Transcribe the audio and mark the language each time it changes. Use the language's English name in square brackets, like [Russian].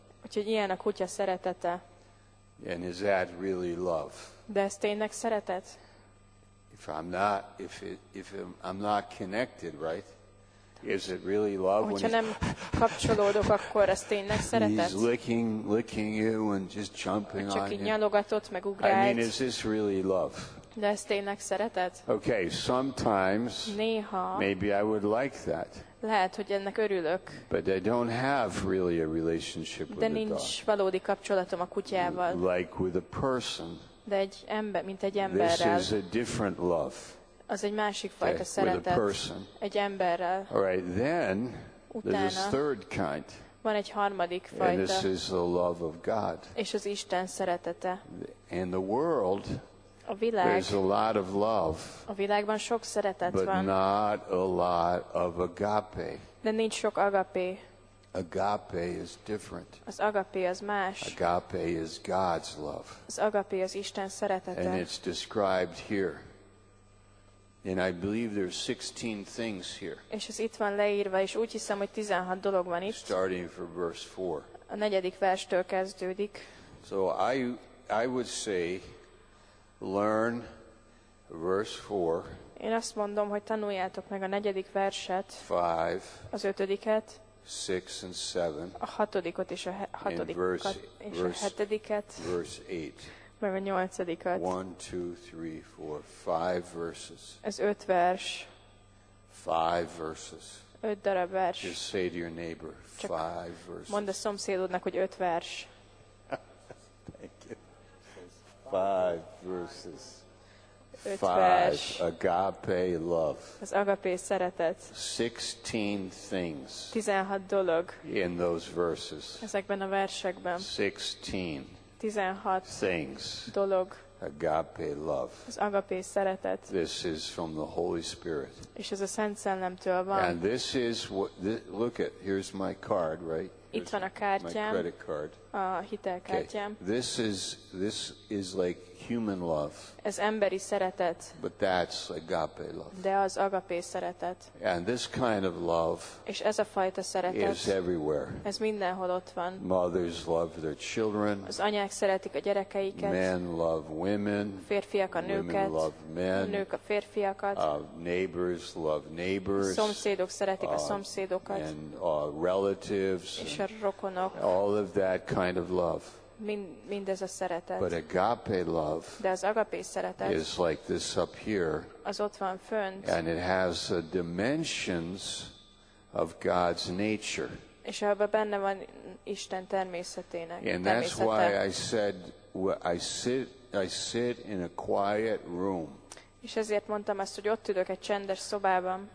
[Hungarian] Úgyhogy ilyen a kutya szeretete. [English] And is that really love? [Hungarian] De ez tényleg szeretet? [English] If I'm not connected, right? Is it really love? [Hungarian] Hogyha nem kapcsolódok, akkor ez tényleg szeretet? [English] He's licking you and just jumping on you. [Hungarian] Csak így nyalogatott, meg ugrált. [English] I mean, is this really love? [Hungarian] De ez tényleg szeretet? [English] Okay, sometimes. [Hungarian] Néha. [English] Maybe I would like that. [Hungarian] Lehet, hogy ennek örülök. [English] But I don't have really a relationship with the dog. [Hungarian] De nincs valódi kapcsolatom a kutyával. [English] Like with a person. [Hungarian] De egy ember, mint egy emberrel. [English] This is a different love. [Hungarian] Az egy másik fajta szeretet, egy emberrel. [English] All right, then, [Hungarian] utána [English] there's a third kind. [Hungarian] Van egy harmadik fajta. [English] And this is the love of God. [Hungarian] És az Isten szeretete. [English] In the world, [Hungarian] a világ, [English] there's a lot of love. [Hungarian] A világban sok szeretet [English] but [Hungarian] van. [English] But not a lot of agape. [Hungarian] De nincs sok agapé. [English] Agape is different. [Hungarian] Az agapé az más. [English] Agape is God's love. [Hungarian] Az agapé az Isten szeretete. [English] And it's described here. And I believe there's 16 things here. [Hungarian] És ez itt van leírva, és úgy hiszem, hogy 16 dolog van itt. [English] Starting from verse 4. [Hungarian] A negyedik verstől kezdődik. [English] So I would say learn verse 4. [Hungarian] Én azt mondom, hogy tanuljátok meg a negyedik verset. [English] 5. [Hungarian] Az ötödiket. [English] 6 and 7. [Hungarian] A hatodikot és a hatodikat és [English] verse, [Hungarian] a hetediket. [English] Verse 8. [Hungarian] Meg a nyolcadikat. [English] 1, 2, 3, 4, 5 verses. [Hungarian] Ez öt vers. [English] 5 verses. [Hungarian] Öt darab vers. [English] Just say to your neighbor, 5 verses. [Hungarian] Mondd a szomszédodnak, hogy öt vers. [English] Thank you. 5 verses. 5, agape love. [Hungarian] Az agape szeretet. [English] 16 things. [Hungarian] 16 dolog. [English] In those verses. [Hungarian] Ezekben a versekben. [English] 16. [Hungarian] 16 [English] things. [Hungarian] Dolog. [English] Agape love. [Hungarian] Az agape szeretet. [English] This is from the Holy Spirit. [Hungarian] És ez a Szent Szellemtől van. [English] And this is what this, look at, here's my card, right? [Hungarian] Itt van a kártyám. [English] My credit card. [Hungarian] A hitelkártyám. [English] Okay. This is like human love. [Hungarian] Ez emberi szeretet. [English] But that's agape love. [Hungarian] De az agape szeretet. [English] And this kind of love. [Hungarian] És ez a fajta szeretet. [English] Is everywhere. [Hungarian] Ez mindenhol ott van. [English] Mothers love their children. [Hungarian] Az anyák szeretik a gyerekeiket. [English] Men love women. [Hungarian] Férfiak a nőket. [English] Women love men. [Hungarian] Nők a férfiakat. [English] Neighbors love neighbors. [Hungarian] Szomszédok szeretik a szomszédokat. [English] And relatives. [Hungarian] És a rokonok. [English] All of that kind of love. [Hungarian] Mindez a szeretet. [English] But agape love. [Hungarian] De az agape szeretet. [English] Is like this up here. [Hungarian] Az ott van fönt. [English] And it has the dimensions of God's nature. [Hungarian] És ebben benne van Isten természetének. [English] And that's why I said I sit in a quiet room. [Hungarian] És ezért mondtam azt, hogy ott ülök egy csendes szobában.